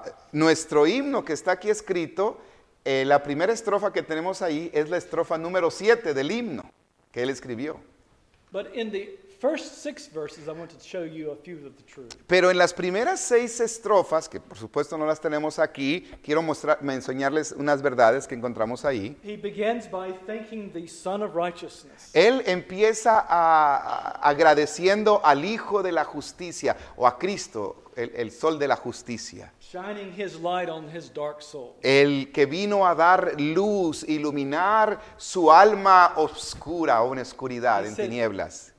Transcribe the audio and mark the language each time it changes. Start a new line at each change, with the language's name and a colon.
Spanish: Nuestro himno que está aquí escrito, la primera estrofa que tenemos ahí es la estrofa número 7 del himno que él escribió.
English: But in the first 6 verses, I want to show you a few of the truth.
Spanish: Pero en las primeras 6 estrofas, que por supuesto no las tenemos aquí, quiero enseñarles unas verdades que encontramos ahí.
English: He begins by thanking the Son of Righteousness.
Spanish: Él empieza agradeciendo al Hijo de la Justicia, o a Cristo, el Sol de la Justicia.
English: Shining his light on his dark soul.
Spanish: El que vino a dar luz, iluminar su alma oscura, o en oscuridad, en tinieblas.